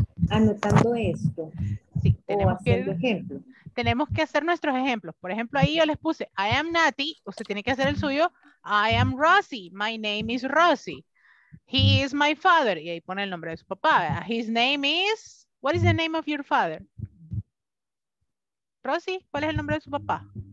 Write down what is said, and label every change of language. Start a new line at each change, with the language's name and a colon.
Spanish: Anotando esto. Sí, tenemos que ejemplo. Tenemos que hacer nuestros ejemplos. Por ejemplo, ahí yo les puse
English: I am Nati,
Spanish: usted tiene que hacer el suyo.
English: I am Rosie, my name is Rosie. He is my father,
Spanish: y ahí pone el nombre de su papá.
English: His name is, what is the name of your father?
Spanish: Rosie, ¿cuál es el nombre de su papá?